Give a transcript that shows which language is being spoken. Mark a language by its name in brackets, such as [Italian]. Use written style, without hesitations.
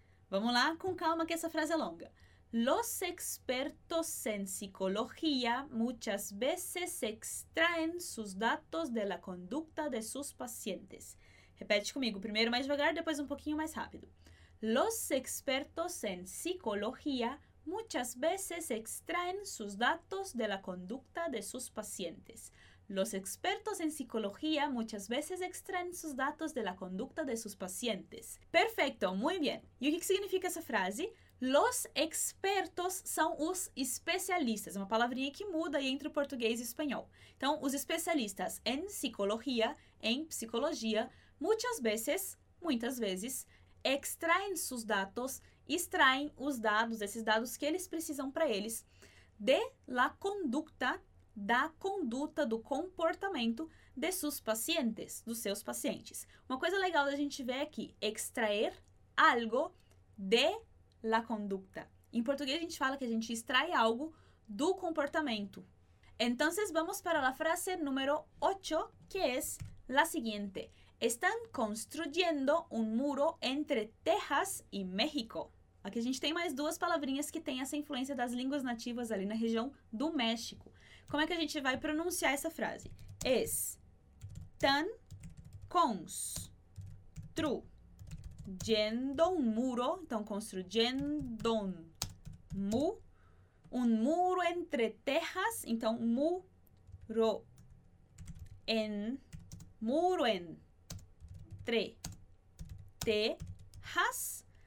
[Portuguese] Vamos lá com calma que essa frase é longa. [Spanish] Los expertos en psicología muchas veces extraen sus datos de la conducta de sus pacientes. [Portuguese] Repete comigo, primeiro mais devagar, depois um pouquinho mais rápido. [Spanish] Los expertos en psicología muchas veces extraen sus datos de la conducta de sus pacientes. Los expertos en psicología muchas veces extraen sus datos de la conducta de sus pacientes. Perfecto, muy bien. ¿Y qué significa esa frase? Los expertos [Portuguese] são os especialistas. É uma palavrinha que muda aí entre o português e o espanhol. Então, os especialistas [Spanish] en psicología, [Portuguese] em psicologia, [Spanish] muchas veces, [Portuguese] muitas vezes, extraem seus dados, extraem os dados, esses dados que eles precisam para eles, [Spanish] de la conducta, [Portuguese] da conduta, do comportamento de seus pacientes, dos seus pacientes. Uma coisa legal da gente ver é que extrair algo [Spanish] de la conducta. [Portuguese] Em português a gente fala que a gente extrai algo do comportamento. Então, vamos para a frase número 8, que é a seguinte. [Spanish] Están construyendo un muro entre Texas y México. [Portuguese] Aqui a gente tem mais duas palavrinhas que têm essa influência das línguas nativas ali na região do México. Como é que a gente vai pronunciar essa frase? [Spanish] Es tan cons tru yendo un muro. [Portuguese] Então, [Spanish] construyendo un mu. Un muro entre tejas. Então, muro en. Muro en. Tre. Te. Has.